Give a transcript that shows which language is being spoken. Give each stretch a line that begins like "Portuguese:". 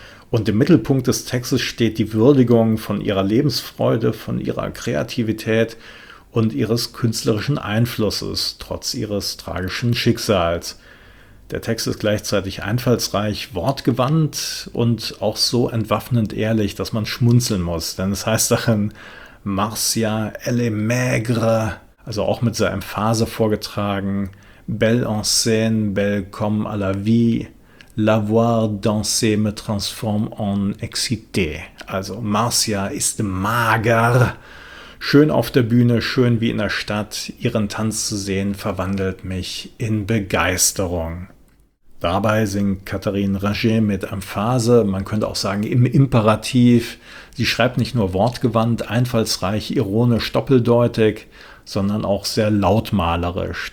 German: Und im Mittelpunkt des Textes steht die Würdigung von ihrer Lebensfreude, von ihrer Kreativität und ihres künstlerischen Einflusses, trotz ihres tragischen Schicksals. Der Text ist gleichzeitig einfallsreich, wortgewandt und auch so entwaffnend ehrlich, dass man schmunzeln muss. Denn es heißt darin, Marcia,
French: elle est maigre,
German: also auch mit dieser Emphase vorgetragen,
French: belle en scène, belle comme à la vie, la voir danser me transforme en excité.
German: Also Marcia ist mager. Schön auf der Bühne, schön wie in der Stadt, ihren Tanz zu sehen, verwandelt mich in Begeisterung. Dabei singt Catherine Ringer mit Emphase, man könnte auch sagen im Imperativ. Sie schreibt nicht nur wortgewandt, einfallsreich, ironisch, doppeldeutig, sondern auch sehr lautmalerisch.